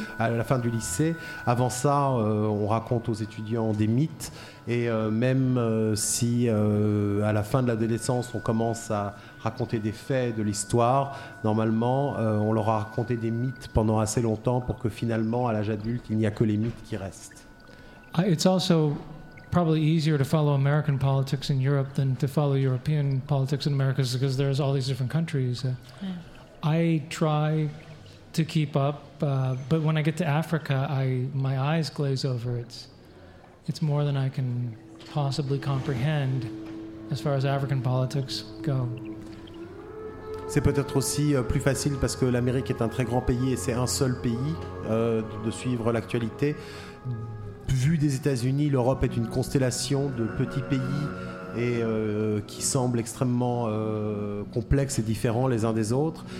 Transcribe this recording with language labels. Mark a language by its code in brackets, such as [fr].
[fr] À la fin du lycée. Avant ça, on raconte aux étudiants des mythes. Et même si à la fin de l'adolescence, on commence à raconter des faits de l'histoire, normalement, on leur a raconté des mythes pendant assez longtemps pour que finalement, à l'âge adulte, il n'y a que les mythes qui restent. [en] It's also probably easier to follow American politics in Europe than to follow European politics in America because there's all these different countries. Yeah. I try to keep up, but when I get to Africa, my eyes glaze over. It's it's more than I can possibly comprehend as far as African politics go. [fr] C'est peut-être aussi plus facile parce que l'Amérique est un très grand pays et c'est un seul pays de suivre l'actualité. Vu des États-Unis, l'Europe est une constellation de petits pays et qui semblent extrêmement complexes et différents les uns des autres.